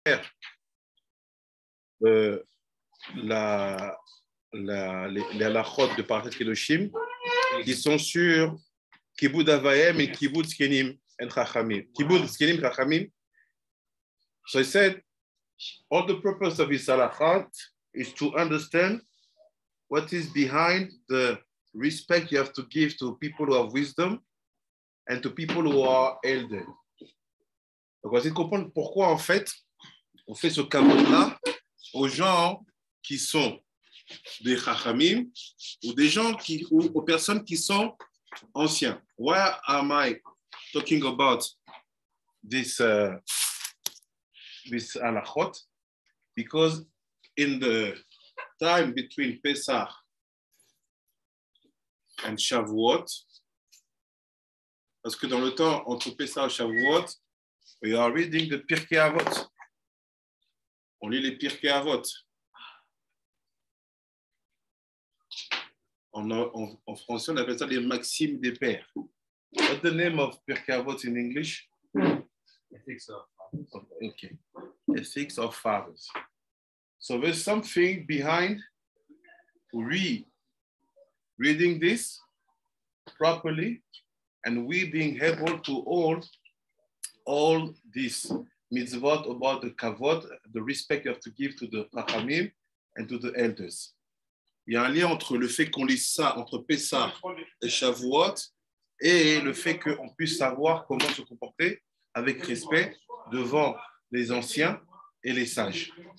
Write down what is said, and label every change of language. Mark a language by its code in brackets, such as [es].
[fr] faire la chôte de parfait Kedoshim qui sont sur Kivud Avayem et Kivud Zkenim et HaKhamin. [he] Kivud Zkenim HaKhamin. [en] So I said, all the purpose of his halachot is to understand what is behind the respect you have to give to people who have wisdom and to people who are elders. [fr] Donc, on va essayer de comprendre pourquoi, en fait, on fait ce kavod-là aux gens qui sont des chachamim ou des gens qui, ou aux personnes qui sont anciens. [en] Why am I talking about this this halachot? Because in the time between Pesach and Shavuot, [fr] parce que dans le temps entre Pesach et Shavuot, [en] we are reading the Pirkei Avot. [fr] On lit les Pirkei Avot. En français, on appelle ça les Maximes des Pères. [en] What's the name of Pirkei Avot in English? Ethics of Fathers. Okay. Ethics of Fathers. So there's something behind reading this properly and we being able to hold all this mitzvot about the kavod, the respect you have to give to the chachamim and to the elders. [fr] Il y a un lien entre le fait qu'on lit ça, entre Pessah et Shavuot, et le fait qu'on puisse savoir comment se comporter avec respect devant les anciens et les sages.